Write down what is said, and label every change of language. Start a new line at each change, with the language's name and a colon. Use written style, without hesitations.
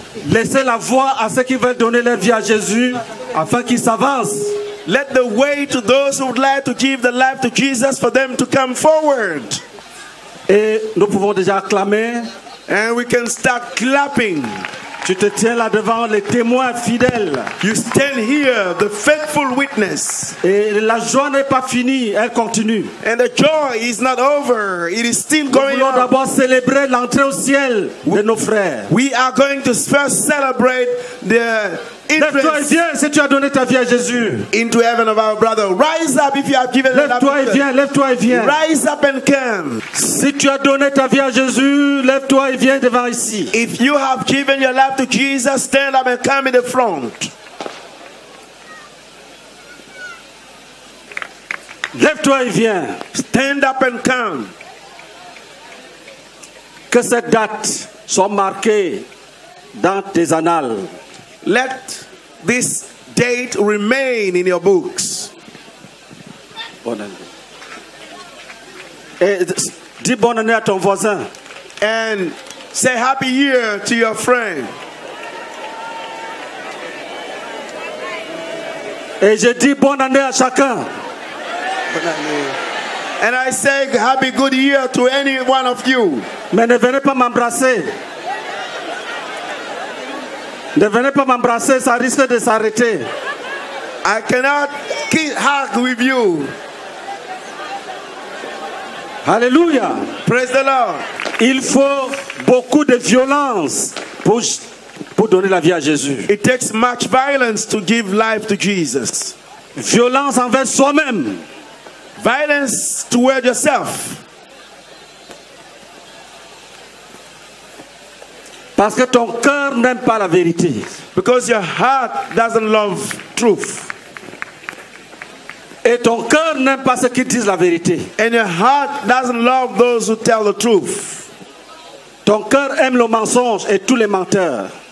French: Laissez la voie à ceux qui veulent donner leur vie à Jésus afin qu'ils s'avancent.
English: Let the way to those who would like to give their life to Jesus for them to come forward.
French: Et nous pouvons déjà acclamer.
English: And we can start clapping.
French: Tu te tiens là devant les témoins fidèles.
English: You stand here, the faithful witness.
French: Et la joie n'est pas finie, elle continue.
English: And the joy is not over, it is still
French: nous
English: going on.
French: Nous voulons d'abord célébrer l'entrée au ciel de nos frères.
English: We are going to first celebrate the
French: lève-toi et viens si tu as donné ta vie à Jésus.
English: Into heaven of our brother. Rise up if you have given life.
French: Lève-toi et viens, lève-toi et viens.
English: Rise up and come.
French: Si tu as donné ta vie à Jésus, lève-toi et viens devant ici.
English: If you have given your life to Jesus, stand up and come in the front.
French: Lève-toi et viens.
English: Stand up and come.
French: Que cette date soit marquée dans tes annales.
English: Let this date remain in your books.
French: Bonne année. Et dis bonne année à ton voisin.
English: And say happy year to your friend.
French: Et je dis bonne année à chacun. Bonne année.
English: And I say happy good year to any one of you.
French: Mais ne venez pas m'embrasser. Ne venez pas m'embrasser, ça risque de s'arrêter.
English: I cannot keep hug with you. Hallelujah. Praise the Lord.
French: Il faut beaucoup de violence pour donner la vie à Jésus.
English: It takes much violence to give life to Jesus.
French: Violence envers soi-même.
English: Violence toward yourself.
French: Parce que ton cœur n'aime pas la vérité.
English: Because your heart doesn't love truth.
French: Et ton cœur n'aime pas ceux qui disent la vérité.
English: And your heart doesn't love those who tell the truth.
French: Ton cœur aime le mensonge et tous les menteurs.